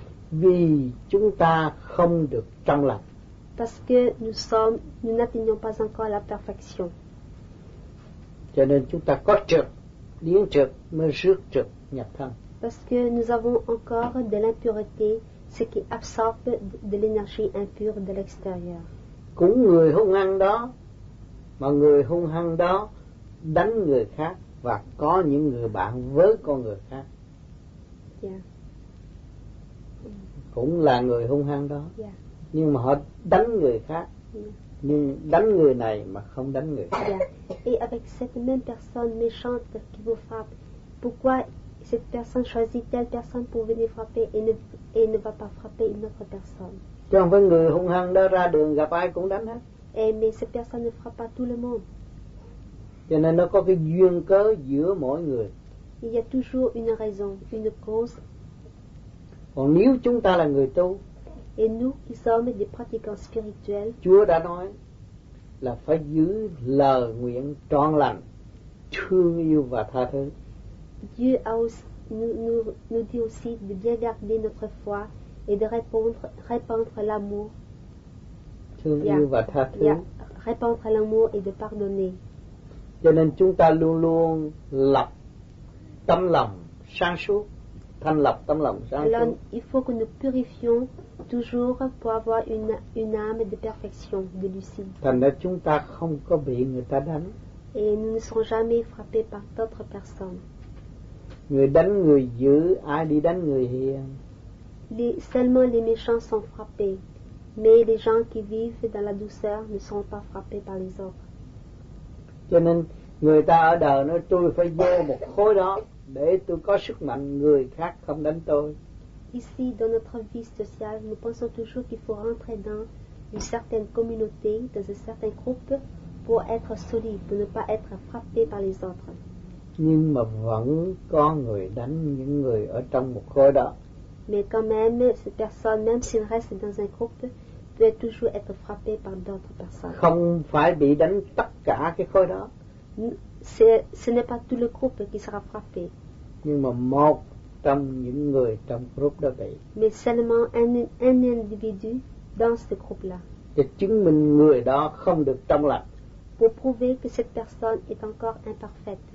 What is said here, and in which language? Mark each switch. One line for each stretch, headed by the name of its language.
Vietnamese: Vì chúng ta không được trong lành.
French: Parce que nous n'atteignons pas encore la perfection.
Vietnamese: Cho nên chúng ta có trượt, điên trượt, mà rước trượt nhập thân.
French: Parce que nous avons encore de l'impureté, ce qui absorbe de l'énergie impure de l'extérieur.
Vietnamese: Cũng người hung hăng đó, mà người hung hăng đó đánh người khác và có những người bạn với con người khác. Yeah. Cũng là người hung hăng đó. Yeah. Nhưng mà họ đánh người khác. Yeah. Nhưng đánh người này mà không đánh người khác. Yeah.
French: Et avec cette même personne méchante qui vous frappe, pourquoi cette personne choisit telle personne pour venir frapper et ne va pas frapper une autre personne?
Vietnamese: Chứ không phải người hung hăng đó ra đường gặp ai cũng đánh hết.
French: Et mais cette personne ne frappe pas tout le monde.
Vietnamese: Cho nên nó có cái duyên cớ giữa mỗi người.
French: Il y a toujours une raison, une cause.
Vietnamese: Còn nếu chúng ta là người tu,
French: et nous qui sommes des pratiquants spirituels,
Vietnamese: Chúa đã nói là phải giữ lời nguyện trọn lành, thương yêu và tha thứ.
French: Dieu nous dit aussi de bien garder notre foi et de répandre l'amour.
Vietnamese: Thương yêu và tha thứ. Yeah.
French: Répandre l'amour et de pardonner.
Vietnamese: Cho nên chúng ta luôn luôn lập tâm lòng sáng suốt. Thanh lập tâm lòng sáng suốt.
French: Alors, il faut que nous purifions toujours pour avoir une âme de perfection, de lucidité.
Vietnamese: Thành ra chúng ta không có bị người ta đánh.
French: Et nous ne serons jamais frappés par d'autres personnes.
Vietnamese: Người đánh người dữ, ai đi đánh người hiền?
French: Seulement les méchants sont frappés, mais les gens qui vivent dans la douceur ne sont pas frappés par les autres.
Vietnamese: Cho nên người ta ở đời nói tôi phải vô một khối đó. Để tôi có sức mạnh, người khác không đánh tôi.
French: Ici, dans notre vie sociale, nous pensons toujours qu'il faut rentrer dans une certaine communauté, dans un certain groupe, pour être solide, pour ne pas être frappé par les autres.
Vietnamese: Nhưng mà vẫn có người đánh những người ở trong một khối đó.
French: Mais quand même, cette personne, même s'il reste dans un groupe, peut toujours être frappé par d'autres personnes.
Vietnamese: Không phải bị đánh tất cả cái khối đó.
French: Ce n'est pas tout le groupe qui sera frappé.
Vietnamese: Nhưng mà một trong những người trong groupe đó vậy.
French: Mais seulement un individu dans ce groupe-là.
Vietnamese: Để chứng minh người đó không được trong lành.
French: Pour prouver que cette personne est encore imparfaite.